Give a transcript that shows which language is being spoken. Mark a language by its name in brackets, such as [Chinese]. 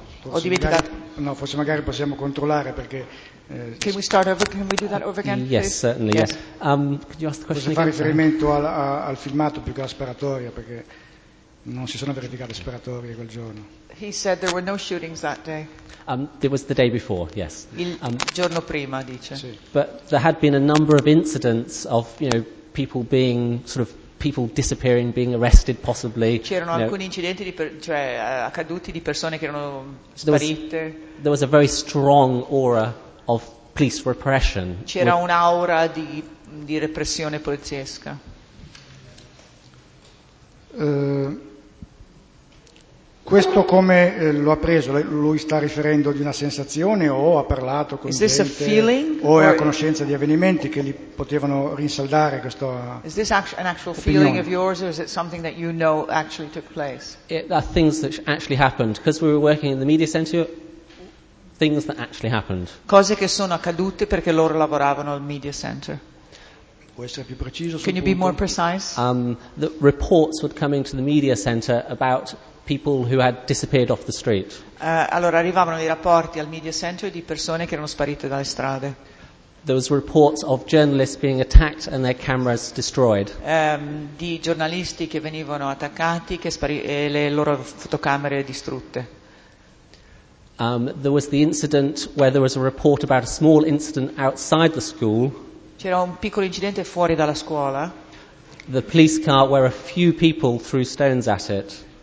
[Italian] Ho dimenticato. No, forse magari possiamo controllare perché. [English] Can we start over? Can we do that over again? Yes, please? Certainly. Yes. Could you ask the question? [Italian] Forse fa riferimento al filmato più che alla sparatoria, perché non si sono verificate sparatorie quel giorno. [English] He said there were no shootings that day. It was the day before, yes. [Italian] Il giorno prima, dice. Sì. [English] But there had been a number of incidents of, you know, people being sort of people disappearing, being arrested possibly. [Italian] C'erano alcuni incidenti accaduti di persone che erano sparite. [English] There was a very strong aura of police repression. [Italian] C'era un'aura di repressione poliziesca. Questo come lo ha preso? Lui sta riferendo di una sensazione o ha parlato con gente? [English] Is this a feeling? [Italian] O è a conoscenza di avvenimenti che li potevano rinsaldare questo? [English] Is this an actual feeling of yours, or is it something that you know actually took place? It are things that actually happened, because we were working in the Media Center. Things that actually happened. [Italian] Cose che sono accadute perché loro lavoravano al Media Center. Può essere più preciso? [English] Can you be more precise? The reports would come into the Media Center about people who had disappeared off the street. [Italian] Allora arrivavano i rapporti al Media Center di persone che erano sparite dalle strade. [English] There was reports of journalists being attacked and their cameras destroyed. [Italian] Di giornalisti che venivano attaccati e le loro fotocamere distrutte. [English] There was the incident where there was a report about a small incident outside the school. [Italian] C'era un piccolo incidente fuori dalla scuola. [English] The police car where a few people threw stones at it.